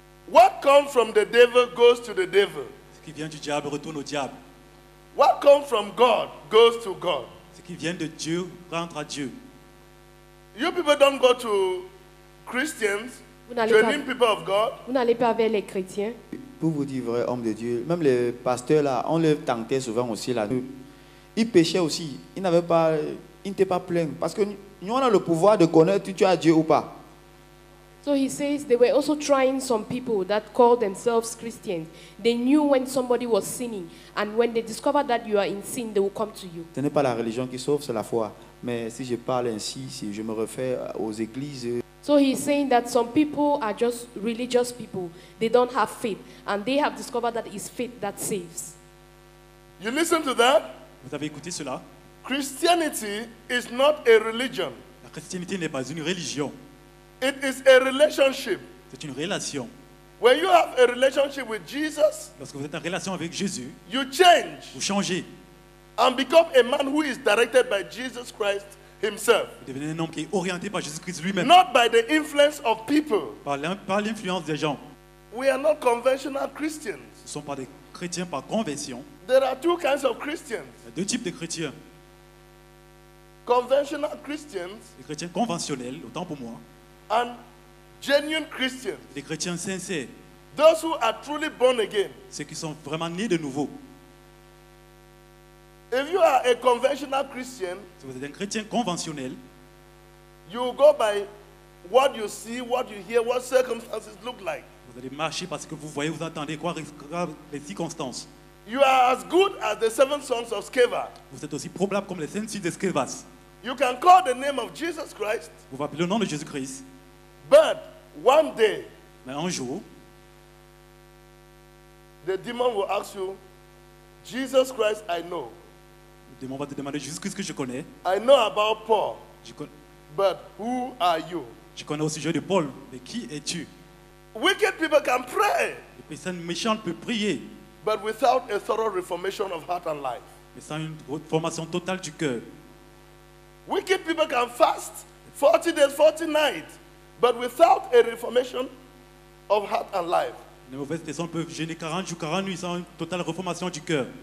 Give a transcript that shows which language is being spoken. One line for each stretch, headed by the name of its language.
English: What comes from the devil goes to the devil.
French: Ce qui vient du diable retourne au diable.
English: What comes from God goes to God.
French: Ce qui vient de Dieu rentre à Dieu.
English: You people don't go to Christians, training people of God.
French: Vous n'allez pas vers les chrétiens. Pour vous dire vrai, homme de Dieu, même les pasteurs là, on les tentait souvent aussi là. Ils péchaient aussi. Ils n'étaient pas pleins parce que nous avons le pouvoir de connaître si tu as Dieu ou pas.
English: So he says they were also trying some people that call themselves Christians. They knew when somebody was sinning, and when they discovered that you are in sin, they will come to you.
French: Ce n'est pas la religion qui sauve, c'est la foi. Mais si je parle ainsi, si je me réfère aux églises.
English: So he's saying that some people are just religious people. They don't have faith, and they have discovered that it's faith that saves. You listen to that?
French: Vous avez écouté cela?
English: Christianity is not a religion.
French: La christianité n'est pas une religion.
English: It is a relationship.
French: C'est une relation.
English: When you have a relationship with Jesus,
French: lorsque vous êtes en relation avec Jésus,
English: you change.
French: Vous changez.
English: And become a man who is directed by Jesus Christ himself.
French: Vous devenez un homme qui est orienté par Jésus-Christ lui-même.
English: Not by the influence of people.
French: Par l'influence des gens.
English: We are not conventional Christians.
French: Nous ne sommes pas des chrétiens par convention.
English: There are two kinds of Christians.
French: Il y a deux types de chrétiens.
English: Conventional Christians,
French: les chrétiens conventionnels, autant pour moi,
English: and genuine Christians,
French: les chrétiens sincères,
English: those who are truly born again,
French: ceux qui sont vraiment nés de nouveau.
English: If you are a conventional Christian,
French: si vous êtes un chrétien conventionnel,
English: you go by what you see, what you hear, what circumstances look like.
French: Vous allez marcher parce que vous voyez, vous attendez quoi, les circonstances.
English: You are as good as the seven sons of Sceva.
French: Vous êtes aussi probable comme les sept fils de Sceva.
English: You can call the name of Jesus Christ.
French: Vous pouvez appeler le nom de Jésus Christ.
English: But one day,
French: mais un jour,
English: the demon will ask you, Jesus Christ, I know.
French: Le démon va te demander Jésus Christ que je connais.
English: I know about Paul. But who are you?
French: Je connais aussi le sujet de Paul, mais qui es-tu?
English: Wicked people can pray.
French: Les personnes méchantes peuvent prier.
English: But without a thorough reformation of heart and life.
French: Mais sans une formation totale du cœur.
English: Wicked people can fast 40 days, 40 nights, but without a reformation of heart and life.
French: Les mauvaises personnes peuvent jeûner 40 jours, 40 nuits sans une totale reformation du cœur.